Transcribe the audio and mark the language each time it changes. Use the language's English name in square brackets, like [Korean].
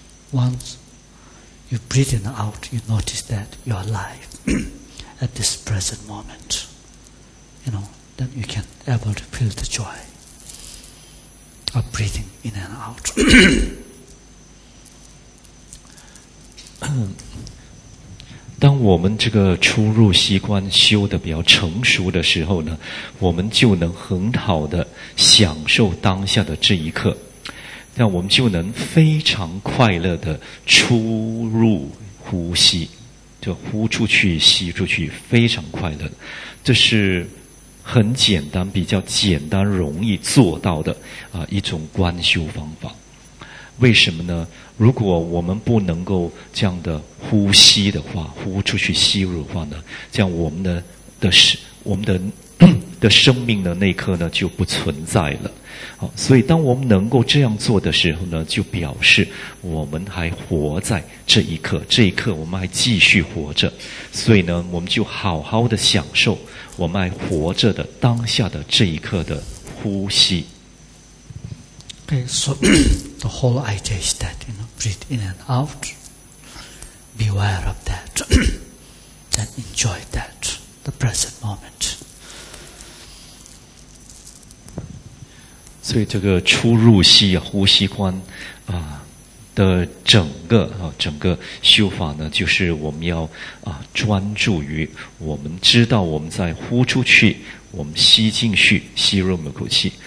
[English] Once you breathe in and out, you notice that you are alive at this present moment. You know, then you can able to feel the joy of breathing in and out. [Chinese] 当我们这个出入息观修得比较成熟的时候呢，我们就能很好的享受当下的这一刻。那我们就能非常快乐的出入呼吸。就呼出去吸出去非常快乐，这是很简单比较简单容易做到的一种观修方法。为什么呢？如果我们不能够这样的呼吸的话，呼出去吸入的话呢，这样我们的生命的那一刻呢就不存在了。好，所以当我们能够这样做的时候呢，就表示我们还活在这一刻，这一刻我们还继续活着。所以呢，我们就好好的享受我们还活着的当下的这一刻的呼吸。 [English] Okay, so the whole idea is that, you know, breathe in and out, be aware of that, then enjoy that, the present moment. [Chinese] 所以这个出入息啊，呼吸观啊的整个啊整个修法呢，就是我们要啊专注于我们知道我们在呼出去，我们吸进去，吸入每口气。